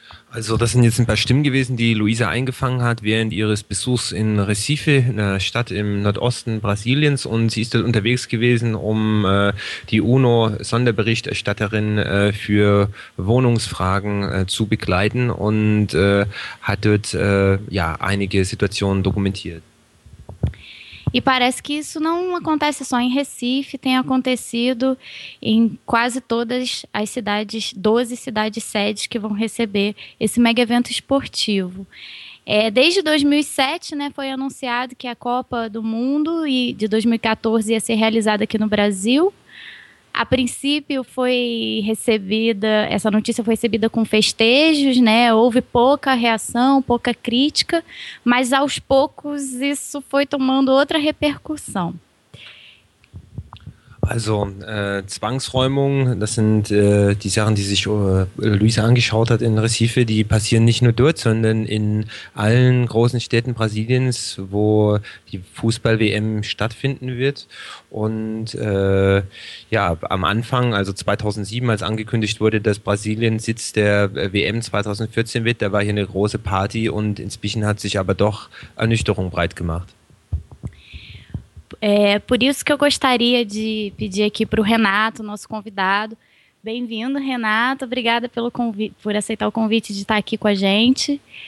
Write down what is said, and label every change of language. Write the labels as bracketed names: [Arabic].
[German] Also das sind jetzt ein paar Stimmen gewesen, die Luisa eingefangen hat während ihres Besuchs in Recife, einer Stadt im Nordosten Brasiliens, und sie ist dort unterwegs gewesen, um die UNO-Sonderberichterstatterin für Wohnungsfragen zu begleiten und hat dort einige Situationen dokumentiert. [Portuguese] E parece que isso não acontece só em Recife, tem acontecido em quase todas as cidades, 12 cidades-sedes que vão receber esse mega evento esportivo. Desde 2007, né, foi anunciado que a Copa do Mundo e de 2014 ia ser realizada aqui no Brasil. A princípio foi recebida, essa notícia foi recebida com festejos, né? Houve pouca reação, pouca crítica, mas aos poucos isso foi tomando outra repercussão. [German] Also, Zwangsräumung, das sind die Sachen, die sich Luisa angeschaut hat in Recife, die passieren nicht nur dort, sondern in allen großen Städten Brasiliens, wo die Fußball-WM stattfinden wird. Und ja, am Anfang, also 2007, als angekündigt wurde, dass Brasilien Sitz der WM 2014 wird, da war hier eine große Party und inzwischen hat sich aber doch Ernüchterung breit gemacht. [Portuguese] Por isso que eu gostaria de pedir aqui para o Renato, nosso convidado. Bem-vindo, Renato. Obrigada pelo por aceitar o convite de estar aqui com a gente.